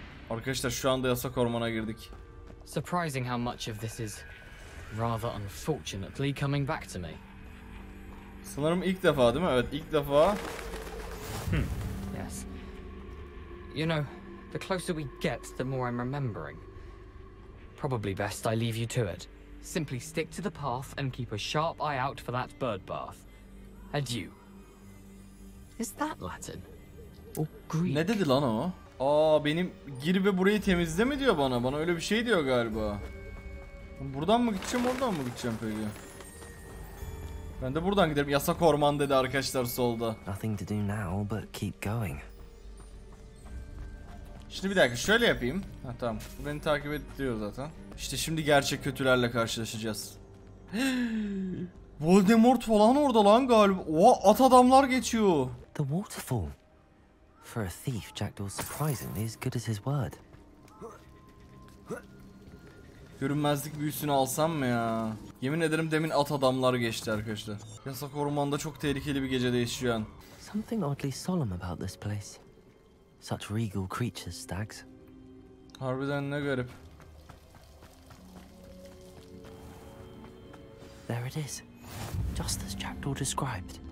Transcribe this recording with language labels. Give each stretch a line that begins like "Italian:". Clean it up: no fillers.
Turkish: Arkadaşlar şu anda yasak ormana girdik.
English: Surprising how much of this is rather unfortunately coming back to me.
Turkish: Sanırım ilk defa değil mi? Evet, ilk defa. Yes.
English: You know, the closer we get, the more I'm remembering. Probably best I leave you to it. Simply stick to the path and keep a sharp eye out for that bird bath. Adieu. Is that Latin? Or Greek?
Turkish: Ne dedi lan o? Aa, benim gir ve burayı temizle mi diyor bana? Bana öyle bir şey diyor galiba. Buradan mı gideceğim, oradan mı gideceğim peki? Ben de buradan giderim. Yasak orman dedi arkadaşlar solda.
English: Nothing to do now but keep going.
Turkish: Şimdi bir dakika, şöyle yapayım. Ha tamam. Bu beni takip ediyor zaten. İşte şimdi gerçek kötülerle karşılaşacağız. Voldemort falan orada lan galiba. Oha, at adamlar geçiyor.
English: The waterfall. For a thief, Jackdaw surprisingly is good as his word.
Turkish: Görünmezlik büyüsünü alsam mı ya? Yemin ederim demin at adamlar geçti arkadaşlar. Yasak ormanda çok tehlikeli bir gecedeyiz şu an.
English: Something oddly solemn about this place. Such regal creatures, stags.
Turkish: Harbiden ne garip.
English: There it is. Just as Jackdaw described.